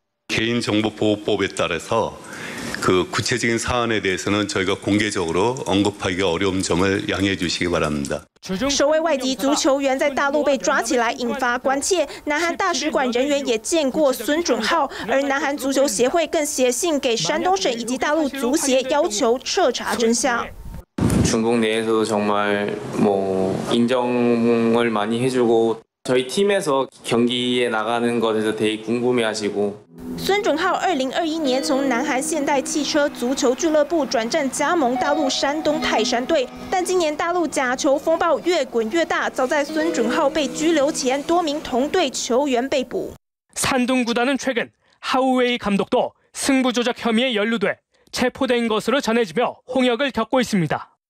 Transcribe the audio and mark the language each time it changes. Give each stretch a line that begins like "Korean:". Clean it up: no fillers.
Korean: 개인정보보호법에따라서그구체적인사안에대해서는저희가공개적으로언급하기가어려운점을양해해주시기바랍니다
Chinese: 首位外籍足球员在大陆被抓起来，引发关切。南韩大使馆人员也见过孙准浩，而南韩足球协会更写信给山东省以及大陆足协，要求彻查真相。
Korean: 중국내에서도정말뭐인정을많이해주고저희팀에서경기에나가는것에서되게궁금해하시고
Chinese: 孙准浩2021年从南韩现代汽车足球俱乐部转战加盟大陆山东泰山队，但今年大陆假球风暴越滚越大，早在孙准浩被拘留前，多名同队球员被捕。
Korean: 山东구단은최근하우웨이감독도승부조작혐의에연루돼체포된것으로전해지며홍역을겪고있습니다